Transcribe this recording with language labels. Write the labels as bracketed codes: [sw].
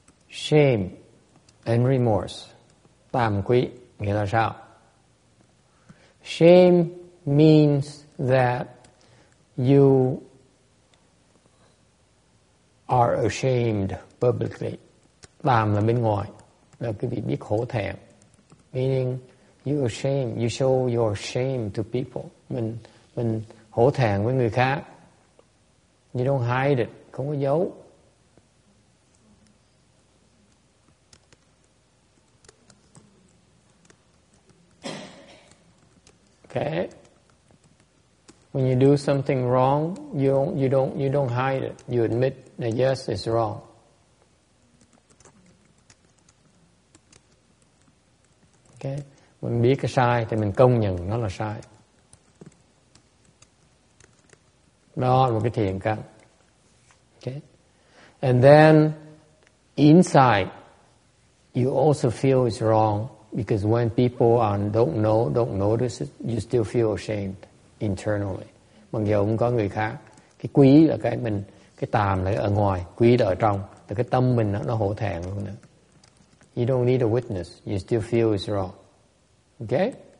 [en] Shame and remorse. [vi] Tàm quý nghĩa là sao? [en] Shame means that you are ashamed publicly. [vi] Tàm là bên ngoài, là quý vị biết hổ thẹn. [en] Meaning you ashamed, you show your shame to people. [vi] Mình hổ thẹn với người khác. [en] You don't hide it, [vi] không có giấu. [en] Okay. When you do something wrong, you don't hide it. You admit that yes, it's wrong. Okay. [vi] Mình biết cái sai thì mình công nhận nó là sai. Đó là một cái thiện căn. Okay. [en] And then inside you also feel it's wrong because when people don't notice it, you still feel ashamed internally. [vi] Mặc dù cũng có người khác, cái quý là cái mình, cái tàm là ở ngoài, quý là ở trong, là cái tâm mình nó hổ thẹn luôn đó. [en] You don't need a witness, you still feel it's wrong. Okay?